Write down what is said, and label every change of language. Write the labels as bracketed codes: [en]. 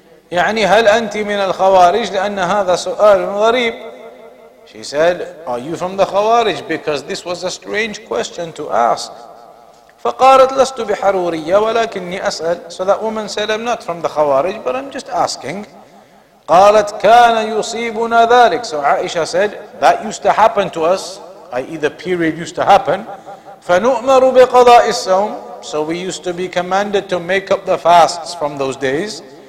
[ar] يعني هل أنت من الخوارج لأن هذا سؤال غريب. [en] She said, are you from the Khawarij? Because this was a strange question to ask. [ar] فقالت لست بحرورية ولكني أسأل. [en] So that woman said, I'm not from the Khawarij, but I'm just asking. [ar] قالت كان يصيبنا ذلك. [en] So Aisha said, that used to happen to us, i.e. the period used to happen. [ar] فَنُؤْمَرُ بِقَضَاءِ الصَّوْمِ. [en] So we used to be commanded to make up the fasts from those days.